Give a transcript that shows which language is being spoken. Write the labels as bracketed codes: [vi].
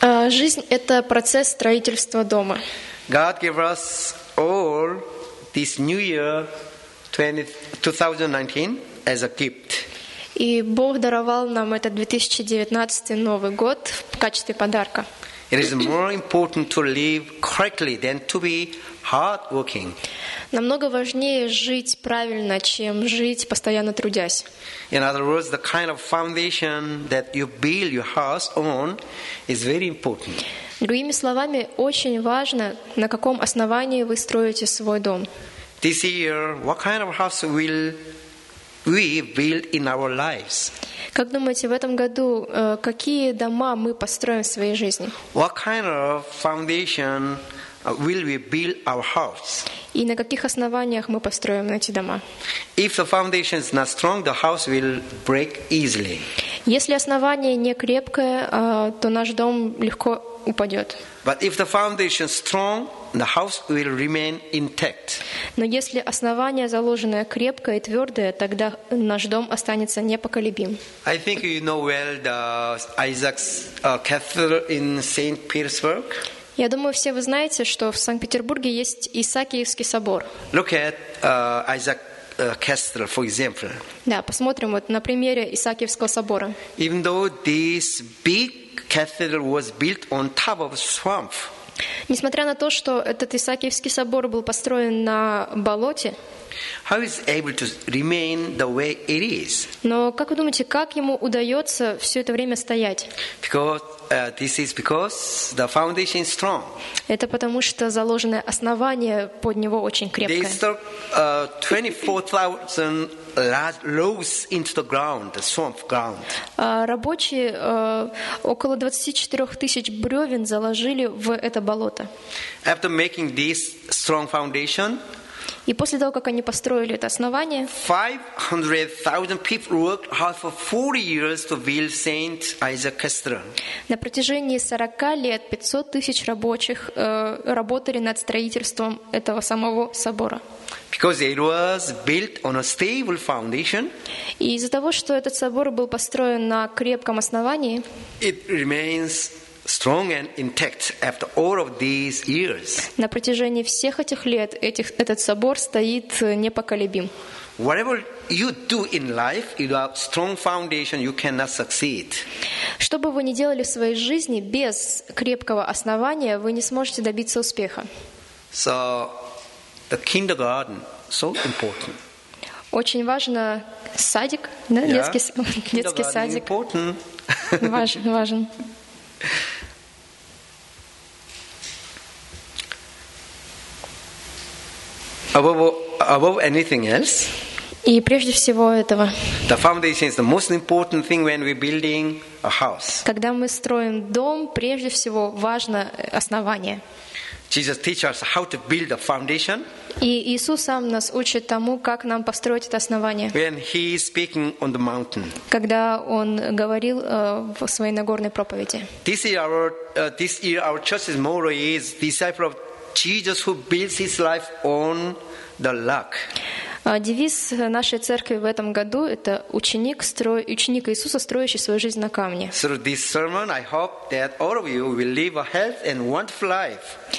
[ru] Жизнь — это процесс строительства дома. [en] God gave us all this new year 2019 as a gift. [ru] И Бог даровал нам этот 2019 Новый год в качестве подарка. [en] It is more important to live correctly than to be hardworking. [ru] Намного важнее жить правильно, чем жить постоянно трудясь. [en] In other words, the kind of foundation that you build your house on is very important. [ru] Другими словами, очень важно, на каком основании вы строите свой дом. [en] This year, what kind of house will we build in our lives? [ru] Как думаете, в этом году какие дома мы построим в своей жизни? [en] What kind of foundation will we build our house? [ru] И на каких основаниях мы построим эти дома? [en] If the foundation is not strong, the house will break easily. [ru] Если основание не крепкое, то наш дом легко упадет. [en] But if the foundation is strong, the house will remain intact. [ru] Но если основание заложенное крепкое и твердое, тогда наш дом останется непоколебим. [en] I think you know well the Isaac's Cathedral in St. Petersburg. [ru] Я думаю, все вы знаете, что в Санкт-Петербурге есть Исаакиевский собор. [en] Look at Isaac Cathedral, for example. [ru] Да, посмотрим вот на примере Исаакиевского собора. [en] Even though this big cathedral was built on top of a swamp. [ru] Несмотря на то, что этот Исаакиевский собор был построен на болоте, [en] how is able to remain the way it is? [ru] Но как вы думаете, как ему удается все это время стоять? [en] Because this is because the foundation is strong. [ru] Это потому, что заложенное основание под него очень крепкое. [en] They stuck 24,000 logs into the ground, the swamp ground. [ru] Рабочие около 24,000 бревен заложили в это болото. [en] After making this strong foundation. [ru] И после того, как они построили это основание, [en] 500,000 people worked hard for 40 years to build Saint Isaac's Cathedral. [ru] На протяжении 40 лет 500,000 рабочих работали над строительством этого самого собора. [en] Because it was built on a stable foundation. [ru] И из-за того, что этот собор был построен на крепком основании, [en] it remains strong and intact after all of these years. [ru] На протяжении всех этих лет этот собор стоит непоколебим. [en] Whatever you do in life, if you have strong foundation, you cannot succeed. [ru] Что бы вы ни делали в своей жизни, без крепкого основания вы не сможете добиться успеха. [en] So the kindergarten so important. [ru] Очень важно садик, да, [en] yeah. [ru] детский садик. [en] Important. [ru] Важен. [en] Above anything else. [ru] И прежде всего этого. [en] The foundation is the most important thing when we're building a house. [ru] Когда мы строим дом, прежде всего важно основание. [en] Jesus teaches us how to build a foundation. [ru] И Иисус сам нас учит тому, как нам построить это основание. [en] When he is speaking on the mountain. [ru] Когда он говорил в своей Нагорной проповеди. [en] This year our church's motto is disciple of Jesus who builds his life on the rock. [ru] Девиз нашей церкви в этом году это ученик Иисуса, строящий свою жизнь на камне. [en] Through this sermon, I hope that all of you will live a healthy and wonderful life.